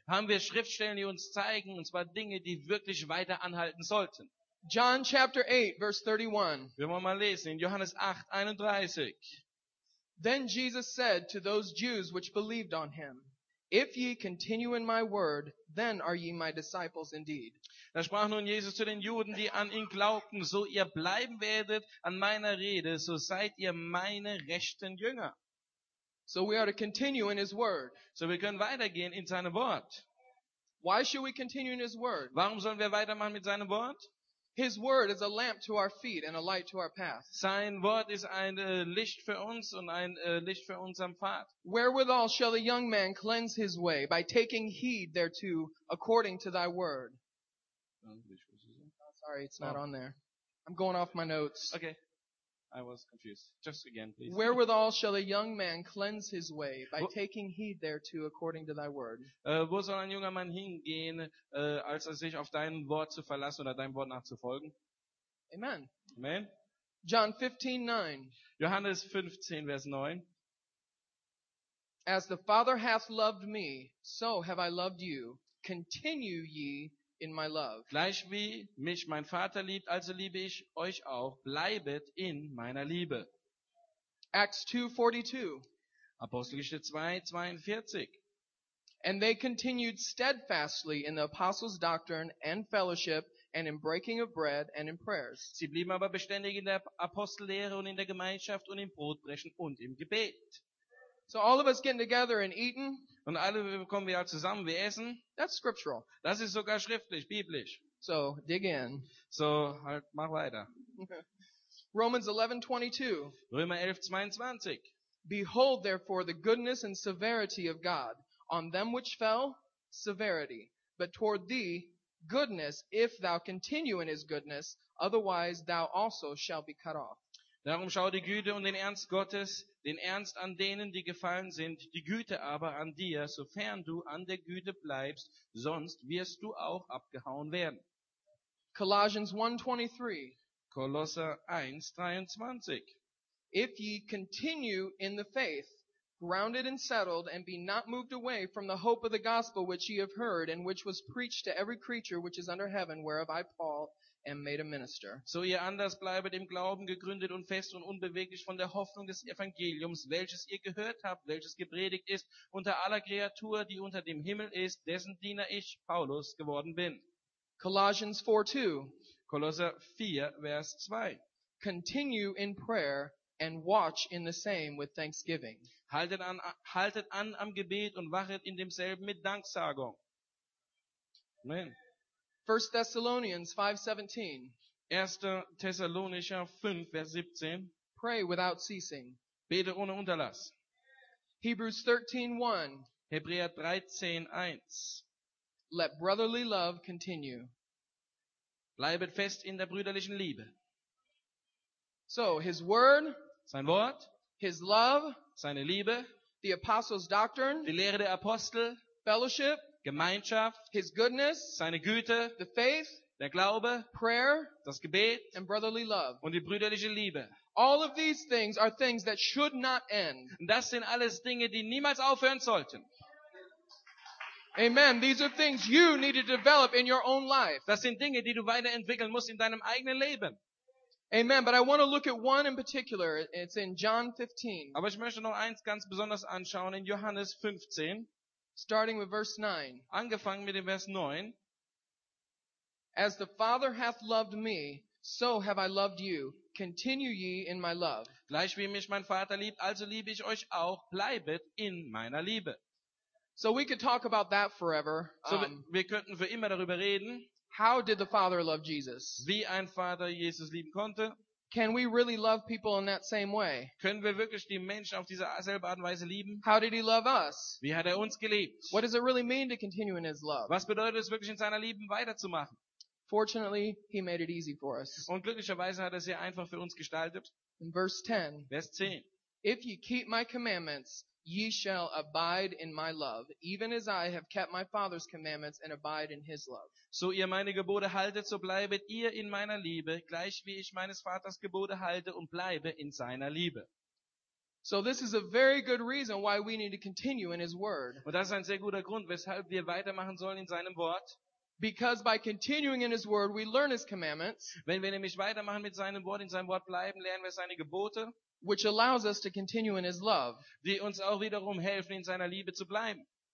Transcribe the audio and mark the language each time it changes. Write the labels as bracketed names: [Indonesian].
[German] Haben wir Schriftstellen, die uns zeigen, und zwar Dinge, die wirklich weiter anhalten sollten. [English] John chapter 8, verse 31. [German] Wir wollen mal lesen in Johannes 8, 31. [English] Then Jesus said to those Jews which believed on him, if ye continue in my word, then are ye my disciples indeed. [German] Da sprach nun Jesus zu den Juden, die an ihn glaubten, so ihr bleiben werdet an meiner Rede, so seid ihr meine rechten Jünger. [English] So we are to continue in his word. [German] So wir können weitergehen in seinem Wort. [English] Why should we continue in his word? [German] Warum sollen wir weitermachen mit seinem Wort? [English] His word is a lamp to our feet and a light to our path. [German] Sein Wort ist ein Licht für uns und ein Licht für unseren Pfad. [English] Wherewithal shall the young man cleanse his way by taking heed thereto according to thy word. Oh, sorry, it's not on there. I'm going off my notes. Okay. I was confused. Just again, please. Wherewithal shall a young man cleanse his way by taking heed thereto according to thy word? [German] Wo soll ein junger Mann hingehen, als er sich auf dein Wort zu verlassen oder deinem Wort nachzufolgen? [English] Amen. Amen. John 15:9. [German] Johannes 15, Vers 9. [English] As the Father hath loved me, so have I loved you. Continue ye in my love. [German] Gleich wie mich mein Vater liebt, also liebe ich euch auch. Bleibet in meiner Liebe. [English] Acts 2:42. [German] Apostelgeschichte 2:42. [English] And they continued steadfastly in the apostles' doctrine and fellowship and in breaking of bread and in prayers. [German] Sie blieben aber beständig in der Apostellehre und in der Gemeinschaft und im Brotbrechen und im Gebet. [English] So all of us getting together and eating. [German] Und alle kommen wir zusammen, wir essen. [English] That's scriptural. [German] Das ist sogar schriftlich, biblisch. [English] So dig in. [German] So halt, mach weiter. [English] Romans 11:22. [German] Römer 11:22. [English] Behold therefore the goodness and severity of God. On them which fell, severity. But toward thee, goodness, if thou continue in his goodness, otherwise thou also shalt be cut off. [German] Darum schau die Güte und den Ernst Gottes, den Ernst an denen, die gefallen sind, die Güte aber an dir, sofern du an der Güte bleibst, sonst wirst du auch abgehauen werden. [English] Colossians 1:23. [German] Kolosser 1:23. [English] If ye continue in the faith, grounded and settled, and be not moved away from the hope of the gospel which ye have heard, and which was preached to every creature which is under heaven, whereof I, Paul, and made a minister. [German] So ihr anders bleibet im Glauben gegründet und fest und unbeweglich von der Hoffnung des Evangeliums, welches ihr gehört habt, welches gepredigt ist unter aller Kreatur, die unter dem Himmel ist, dessen Diener ich, Paulus, geworden bin. [English] Colossians 4:2. [German] Kolosser 4, Vers 2. [English] Continue in prayer and watch in the same with thanksgiving. [German] Haltet an am Gebet und wachet in demselben mit Danksagung. [English] Amen. 1 Thessalonians 5:17. [German] 1. Thessalonicher 5, Vers 17. [English] Pray without ceasing. [German] Bete ohne Unterlass. [English] Hebrews 13:1. [German] Hebräer 13:1. [English] Let brotherly love continue. [German] Bleibet fest in der brüderlichen Liebe. [English] So, his word, [German] sein Wort, [English] his love, [German] seine Liebe, [English] the apostles' doctrine, [German] die Lehre der Apostel, [English] fellowship, [German] Gemeinschaft, [English] his goodness, [German] seine Güte, [English] the faith, [German] der Glaube, [English] prayer, [German] das Gebet, [English] and brotherly love, [German] und die brüderliche Liebe. [English] All of these things are things that should not end. [German] Das sind alles Dinge, die niemals aufhören sollten. [English] Amen. These are things you need to develop in your own life. Das sind Dinge, die du weiterentwickeln musst in deinem eigenen Leben. Amen, but I want to look at one in particular. It's in John 15. [German] Aber ich möchte noch eins ganz besonders anschauen in Johannes 15. [English] Starting with verse 9. [German] Angefangen mit dem Vers 9. [English] As the Father hath loved me, so have I loved you. Continue ye in my love. [German] Gleich wie mich mein Vater liebt, also liebe ich euch auch. Bleibet in meiner Liebe. [English] So we could talk about that forever. [German] So wir könnten für immer darüber reden. [English] How did the Father love Jesus? [German] Wie ein Vater Jesus lieben konnte? [English] Can we really love people in that same way? [German] Können wir wirklich die Menschen auf diese selbe Art und Weise lieben? [English] How did he love us? [German] Wie hat er uns geliebt? [English] What does it really mean to continue in his love? [German] Was bedeutet es wirklich in seiner Liebe weiterzumachen? [English] Fortunately, he made it easy for us. [German] Und glücklicherweise hat er es sehr einfach für uns gestaltet. [English] In verse 10. [German] Vers 10. [English] If ye keep my commandments, ye shall abide in my love, even as I have kept my Father's commandments and abide in his love. [German] So ihr meine Gebote haltet, so bleibet ihr in meiner Liebe, gleich wie ich meines Vaters Gebote halte und bleibe in seiner Liebe. [English] So this is a very good reason why we need to continue in his word. [German] Und das ist ein sehr guter Grund, weshalb wir weitermachen sollen in seinem Wort. [English] Because by continuing in his word, we learn his commandments. [German] Wenn wir nämlich weitermachen mit seinem Wort, in seinem Wort bleiben, lernen wir seine Gebote. [English] Which allows us to continue in his love. [German] Die uns auch wiederum helfen, in seiner Liebe zu bleiben.